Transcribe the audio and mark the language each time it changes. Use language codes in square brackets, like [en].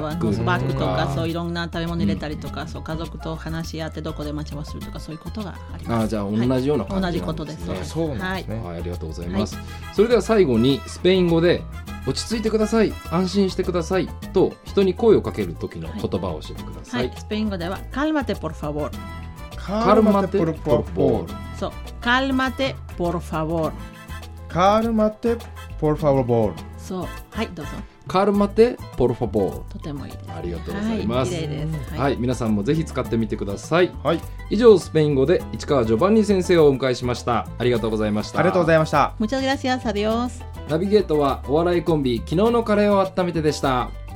[ja] バッグとか、そういろんな食べ物入れたりとか、うん、そう家族と話し合ってどこで待ち合わせするとか、そういうことがあります。あ、じゃあ同じような感じなんですね、はい、同じことです。そうですね、はい、ありがとうございます、はい、それでは最後にスペイン語で落ち着いてください、安心してくださいと人に声をかける時の言葉を教えてください、はいはい、スペイン語では [es] cálmate por favor。 cálmate por favor。 [ja] そう、 [es] cálmate por favor。 cálmate por favor。 [ja] そう、はい、どうぞ。 [es] カルマテポルファボール、 [ja] とてもいいです。ありがとうございます。はい、綺麗です、はいはい、皆さんもぜひ使ってみてください、はい、以上スペイン語で市川ジョバンニ先生をお迎えしました。ありがとうございました。ありがとうございました。 [es] ムチャグラシアス、アディオース。 [ja] ナビゲートはお笑いコンビ昨日のカレーを温めてでした。